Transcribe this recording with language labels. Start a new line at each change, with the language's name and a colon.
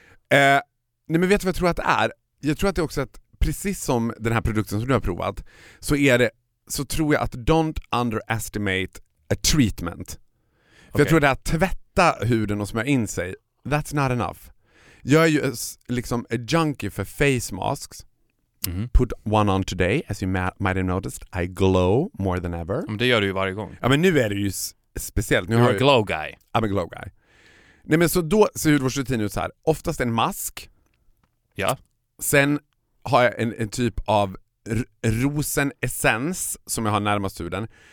Swedish: Nej, men vet du vad jag tror att det är? Jag tror att det är också att precis som den här produkten som du har provat, så är det, så tror jag att
English: don't underestimate a treatment.
Swedish: För okay. Jag tror att det är att tvätta huden och smörja in sig,
English: that's not enough.
Swedish: Jag är ju liksom
English: a junkie
Swedish: för
English: face masks.
Swedish: Mm-hmm.
English: Put one on today, as you might have noticed, I glow more than ever.
Swedish: Men det gör du ju varje gång. Ja, men nu är det ju speciellt.
English: You're a glow guy. I'm a glow guy.
Swedish: Nej, men så då ser hudvårdsrutin ut så här. Oftast en mask. Ja. Sen har jag en typ av rosenessens som jag har närmast huden.